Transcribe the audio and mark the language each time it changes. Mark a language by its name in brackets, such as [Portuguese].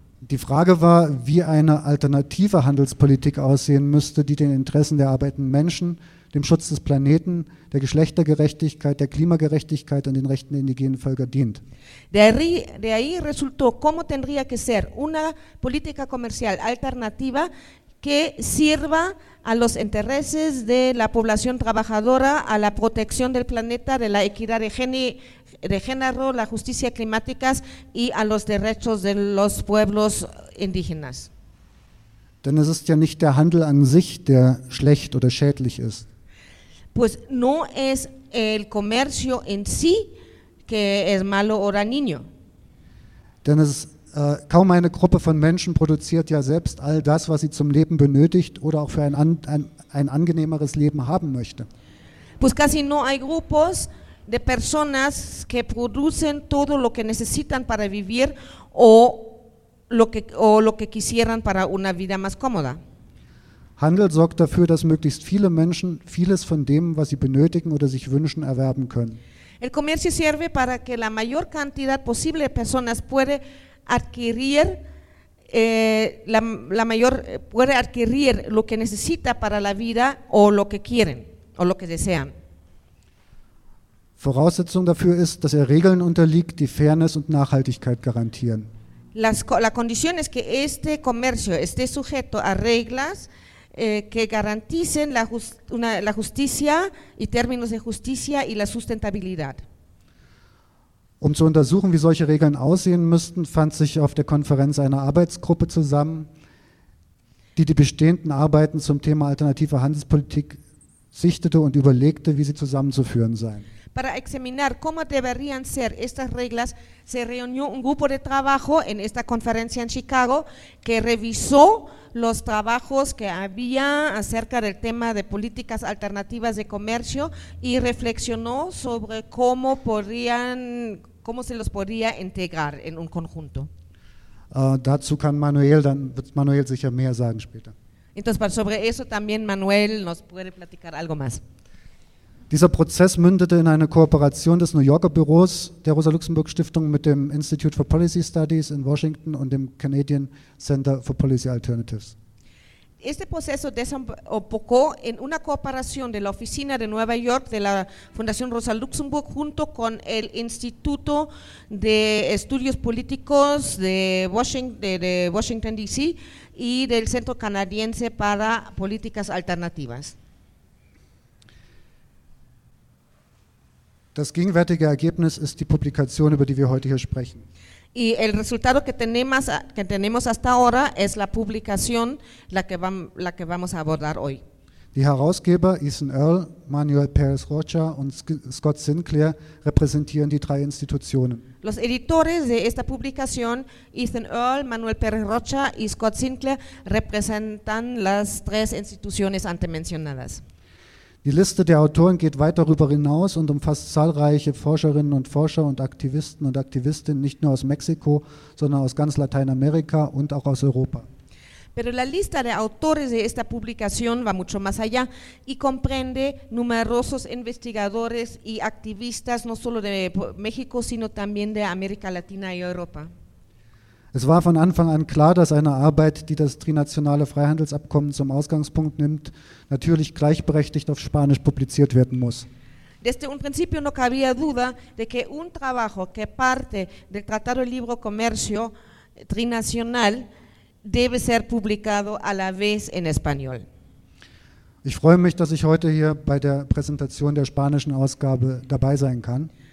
[German] Die Frage war, wie eine alternative Handelspolitik aussehen müsste, die den Interessen der arbeitenden Menschen, dem Schutz des Planeten, der Geschlechtergerechtigkeit, der Klimagerechtigkeit und den Rechten der indigenen Völker dient. [Spanish] De ahí resultó cómo tendría que ser una política comercial alternativa que sirva a los intereses de la población trabajadora, a la protección del planeta, de la equidad de género, la justicia climática y a los derechos de los pueblos indígenas. [German] Denn es ist ja nicht der Handel an sich, der schlecht oder schädlich ist. [Spanish] Pues no es el comercio en sí que es malo o dañino. [German] Denn es kaum eine Gruppe von Menschen produziert ja selbst all das, was sie zum Leben benötigt oder auch für ein angenehmeres Leben haben möchte. [Spanish] Pues casi no hay grupos de personas que producen todo lo que necesitan para vivir o lo que quisieran para una vida más cómoda. [German] Handel sorgt dafür, dass möglichst viele Menschen vieles von dem, was sie benötigen oder sich wünschen, erwerben können. [Spanish] El comercio sirve para que la mayor cantidad posible de personas puede adquirir la mayor puede adquirir lo que necesita para la vida o lo que quieren o lo que desean. [German] Voraussetzung dafür ist, dass er Regeln unterliegt, die Fairness und Nachhaltigkeit garantieren. [Spanish] La condición es que este comercio esté sujeto a reglas que garanticen la justicia y términos de justicia y la sustentabilidad. [German] Um zu untersuchen, wie solche Regeln aussehen müssten, fand sich auf der Konferenz eine Arbeitsgruppe zusammen, die die bestehenden Arbeiten zum Thema alternative Handelspolitik sichtete und überlegte, wie sie zusammenzuführen seien. [Spanish] Para examinar cómo deberían ser estas reglas, se reunió un grupo de trabajo en esta conferencia en Chicago que revisó los trabajos que había acerca del tema de políticas alternativas de comercio y reflexionó sobre cómo se los podría integrar en un conjunto. [German] Dazu kann Manuel, dann wird Manuel sicher mehr sagen später. [Spanish] Entonces, sobre eso también Manuel nos puede platicar algo más. [German] Dieser Prozess mündete in eine Kooperation des New Yorker Büros der Rosa-Luxemburg-Stiftung mit dem Institute for Policy Studies in Washington und dem Canadian Center for Policy Alternatives. [Spanish] Este proceso desembocó en una cooperación de la oficina de Nueva York de la Fundación Rosa Luxemburg junto con el Instituto de Estudios Políticos de Washington DC y del Centro Canadiense para Políticas Alternativas. [German] Das gegenwärtige Ergebnis ist die Publikation, über die wir heute hier sprechen. [Spanish] Y el resultado que tenemos hasta ahora es la publicación la que vamos a abordar hoy. [German] Die Herausgeber Ethan Earle, Manuel Perez Rocha und Scott Sinclair repräsentieren die drei Institutionen. [Spanish] Los editores de esta publicación, Ethan Earle, Manuel Perez Rocha y Scott Sinclair, representan las tres instituciones antes mencionadas. [German] Die Liste der Autoren geht weit darüber hinaus und umfasst zahlreiche Forscherinnen und Forscher und Aktivisten und Aktivistinnen nicht nur aus Mexiko, sondern aus ganz Lateinamerika und auch aus Europa. [Spanish] Pero la lista de autores de esta publicación va mucho más allá y comprende numerosos investigadores y activistas no solo de México, sino también de América Latina y Europa. [German] Es war von Anfang an klar, dass eine Arbeit, die das trinationale Freihandelsabkommen zum Ausgangspunkt nimmt, natürlich gleichberechtigt auf Spanisch publiziert werden muss. [Spanish] Desde un principio no cabía duda de que un trabajo que parte del Tratado de Libre Comercio trinacional debe ser publicado a la vez en español. [German] Ich freue mich, dass ich heute hier bei der Präsentation der spanischen Ausgabe dabei sein kann.